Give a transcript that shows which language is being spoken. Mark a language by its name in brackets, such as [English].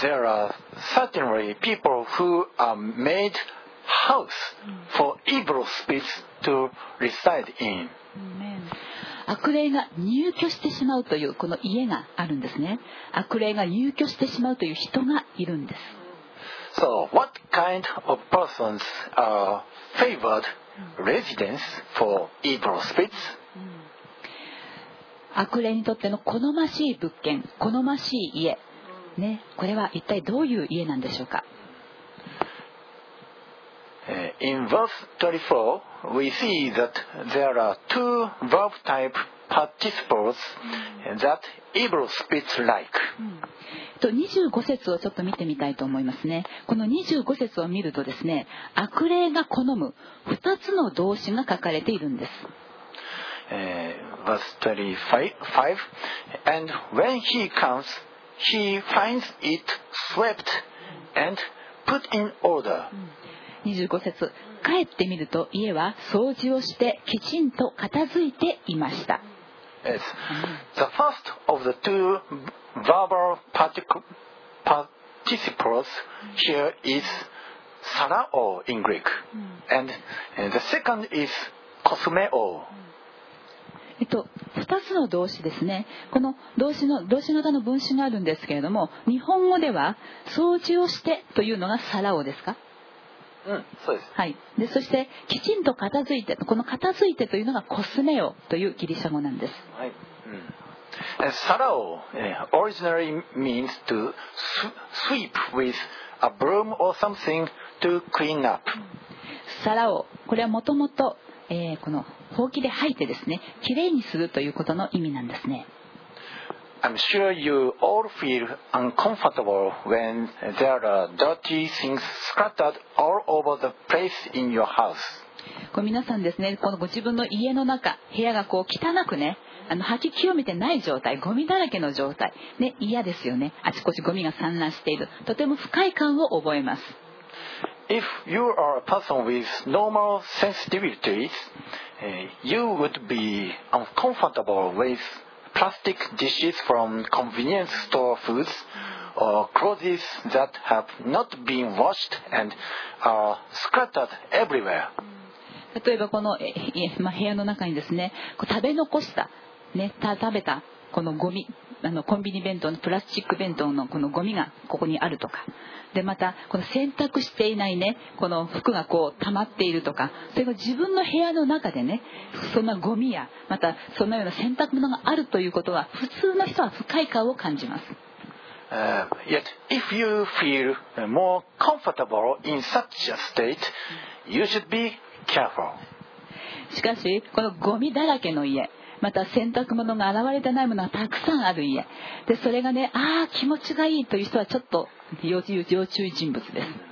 [English] There are certainly people who are made house for evil spirits to reside in. [Japanese] 悪霊が入居してしまうというこの家があるんですね。悪霊が入居してしまうという人がいるんです。 [English] So, what kind of persons are favored residence for evil spirits? [Japanese] 悪霊にとっての好ましい物件、好ましい家、ね、これは一体どういう家なんでしょうか。 [English] In verse 24 we see that there are two verb type participles that evil spirits like. [Japanese] 25節をちょっと見てみたいと思いますね。この25節を見るとですね、悪霊が好む2つの動詞が書かれているんです。 [English] Verse 25 And when he comes, he finds it swept and put in order. [Japanese] 25節、帰ってみると家は掃除をしてきちんと片付いていました。 [English] Yes. The first of the two verbal participles here is sarao in Greek, and the second is kosmeo. [Japanese] 2つの動詞ですね。この動詞の他の分詞があるんですけれども、日本語では掃除をしてというのがサラオですか？そうです。はい。で、そしてきちんと片付いて、この片付いてというのがコスメオというギリシャ語なんです。 [English] はい。サラオ、originally means to sweep with a broom or something to clean up。 [Japanese] サラオ、これはもともと、このほうきで掃いてですね、きれいにするということの意味なんですね。 [English] I'm sure you all feel uncomfortable when there are dirty things scattered all over the place in your house. [Japanese] こう皆さんですね、このご自分の家の中、部屋がこう汚くね、掃き清めてない状態、ゴミだらけの状態、ね、嫌ですよね。あちこちゴミが散乱している。とても不快感を覚えます。 [English] If you are a person with normal sensitivities, you would be uncomfortable withplastic dishes from convenience store foods or clothes that have not been washed and are scattered everywhere. [Japanese] 例えばこの、部屋の中にですね、食べ残した、ね、食べたこのゴミ、コンビニ弁当のプラスチック弁当のこのゴミがここにあるとか、でまたこの洗濯していないね、この服がこう溜まっているとか、それが自分の部屋の中でね、そんなゴミやまたそのような洗濯物があるということは、普通の人は不快感を感じます。 [English] Yet if you feel more comfortable in such a state, you should be careful. [Japanese] しかしこのゴミだらけの家、また洗濯物が現れてないものがたくさんある家で、それがね、ああ気持ちがいいという人はちょっと要注意人物です。